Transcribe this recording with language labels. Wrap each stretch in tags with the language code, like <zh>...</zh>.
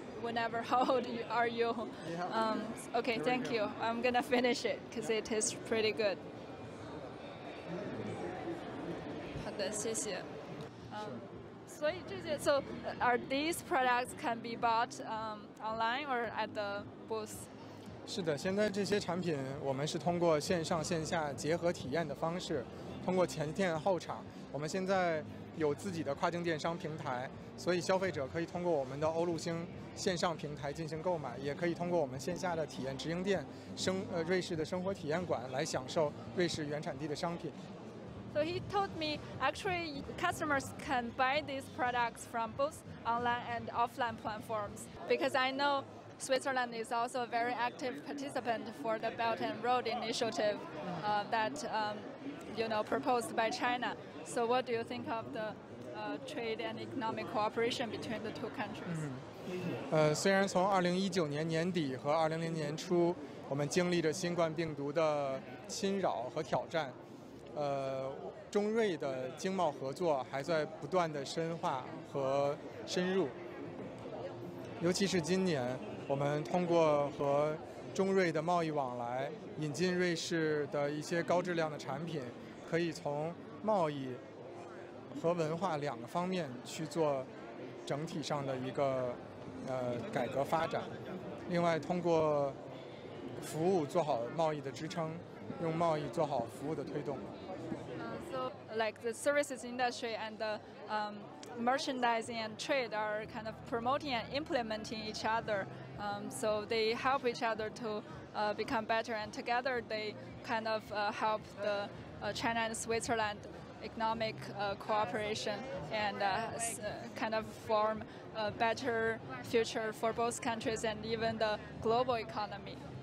<en>Whenever, how old are you? Okay, thank you. I'm gonna finish it because it is pretty good.</en> <zh>好的，谢谢。所以这些</zh> <en>，so are these products can be bought online or at the booth?</en> <zh>是的，现在这些产品我们是通过线上线下结合体验的方式，通过前店后厂，我们现在有自己的跨境电商平台，所以消费者可以通过我们的欧陆星线上平台进行购买，也可以通过我们线下的体验直营店瑞士的生活体验馆来享受瑞士原产地的商品。</zh> <en>So he told me actually customers can buy these products from both online and offline platforms, because I know Switzerland is also a very active participant for the Belt and Road Initiative that you know, proposed by China. So what do you think of the trade and economic cooperation between the two countries?</en> <zh>虽然从2019年年底和2020年初，我们经历着新冠病毒的侵扰和挑战，中瑞的经贸合作还在不断的深化和深入。尤其是今年，我们通过和中瑞的贸易往来，引进瑞士的一些高质量的产品，可以从贸易和文化两个方面去做整体上的一个改革发展。另外通过服务做好贸易的支撑，用贸易做好服务的推动。</zh> <en>So like the services industry and the merchandising and trade are kind of promoting and implementing each other. So they help each other to become better, and together they kind of help the China and Switzerland economic cooperation and kind of form a better future for both countries and even the global economy.</en>